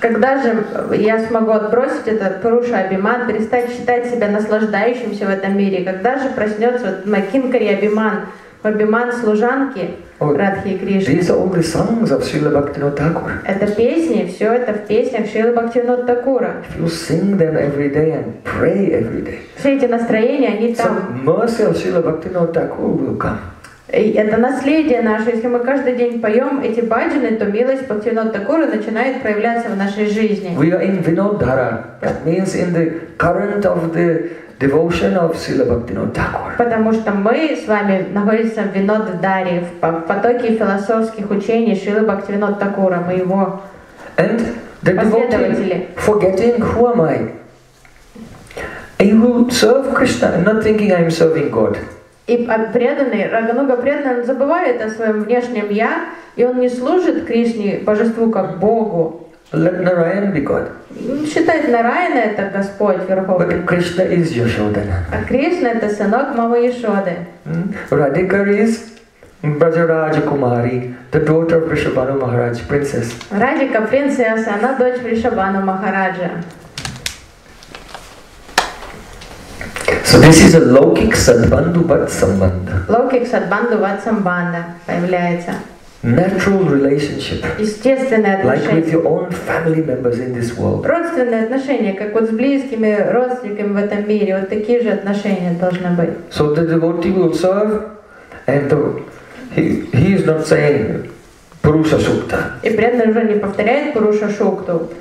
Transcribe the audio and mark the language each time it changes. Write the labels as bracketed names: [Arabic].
[Russian] Когда же я смогу отбросить этот Пуруша Абиман, перестать считать себя наслаждающимся в этом мире? Когда же проснется мой Кингори Абиман, Абиман служанки Радхи и Кришны? [English] These are all the songs of Srila Bhaktivinoda Thakur. [Russian] Это песни, все это в песнях Шрилы Бхактивинода Такура. [English] If you sing them every day and pray every day. [Russian] Все эти настроения, они там. [English] Mercy of Srila Bhaktivinoda Thakur will come. [Russian] Это наследие наше. Если мы каждый день поем эти баджаны, то милость Бхактивинода Такура начинает проявляться в нашей жизни. [English] We are in Vinodhara. That means in the current of the devotion of Srila Bhaktivinoda Thakur. [Russian] Потому что мы с вами находимся в Винодхаре, в потоке философских учений Шрилы Бхактивинода Такура, мы его последователи. [English] Forgetting who am I? I will serve Krishna, not thinking I am serving God. [Russian] И преданный, Рагануга преданный, он забывает о своем внешнем «я», и он не служит Кришне, Божеству, как Богу. [English] Let Narayan be God. [Russian] Считает Нараяна — это Господь Верховный. [English] But Krishna is Yashodana. [Russian] А Кришна — это сынок мамы Яшоды. [English] Radhika is Brajaraja Kumari, the daughter of Vrishabhanu Maharaj, princess. [Russian] Radhika — принцесса, она дочь Вришабану Махараджа. [English] So this is a Laukik Sadbandhu Vat Sambandha. [Russian] Laukik Sadbandhu Vat Sambandha появляется. [English] Natural relationship. [Russian] Естественное отношение. [English] Like with your own family members in this world. [Russian] Родственные отношения, как вот с близкими родственниками в этом мире. Вот такие же отношения должны быть. [English] So the devotee will serve, and the, he is not saying Purusha Shukta. [Russian] И преданный уже не повторяет Пуруша Шукту.